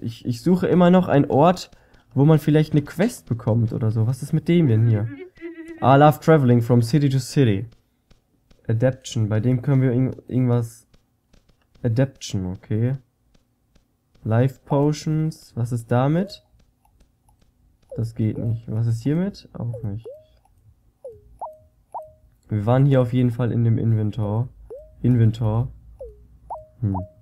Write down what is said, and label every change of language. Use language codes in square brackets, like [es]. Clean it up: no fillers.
[de] Ich suche immer noch einen Ort, wo man vielleicht eine Quest bekommt oder so. Was ist mit dem denn hier? [en] I love traveling from city to city. [de] Adaption. Bei dem können wir irgendwas... Adaption, okay. Life Potions. Was ist damit? Das geht nicht. Was ist hiermit? Auch nicht. Wir waren hier auf jeden Fall in dem Inventor. Inventor. Hm.